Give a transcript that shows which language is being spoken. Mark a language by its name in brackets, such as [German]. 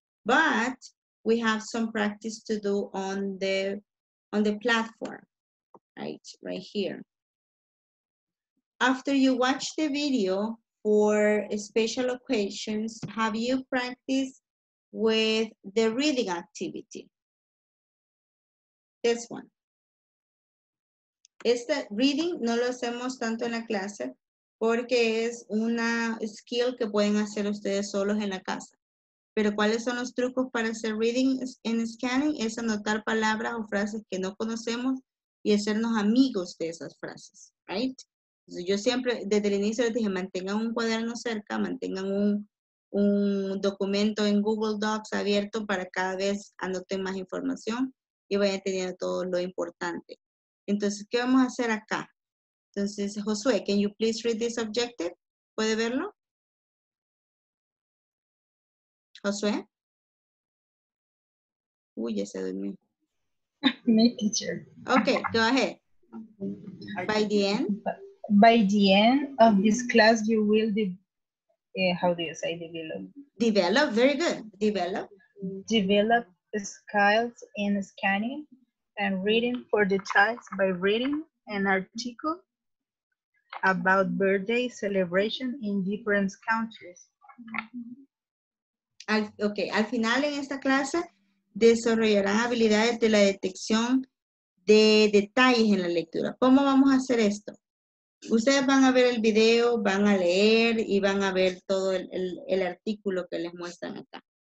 [English] But we have some practice to do on the platform, right here. After you watch the video for special occasions, have you practiced with the reading activity? This one. [Spanish] Este reading no lo hacemos tanto en la clase porque es una skill que pueden hacer ustedes solos en la casa. Pero ¿cuáles son los trucos para hacer reading en scanning? Es anotar palabras o frases que no conocemos y hacernos amigos de esas frases, right? Entonces, yo siempre, desde el inicio les dije, mantengan un cuaderno cerca, mantengan un documento en Google Docs abierto para cada vez anoten más información y vayan teniendo todo lo importante. Entonces, ¿qué vamos a hacer acá? [English] Entonces, Josué, can you please read this objective? [Spanish] ¿Puede verlo? Josué? Uy, ya se durmió. [English] Me, teacher. Okay, go ahead. By the end? By the end of this class, you will develop? Develop, very good. Develop? Develop skills in scanning and reading for the child by reading an article about birthday celebration in different countries. [Spanish] Okay, al final en esta clase desarrollarán habilidades de la detección de detalles en la lectura. ¿Cómo vamos a hacer esto? Ustedes van a ver el video, van a leer y van a ver todo el artículo que les muestran acá.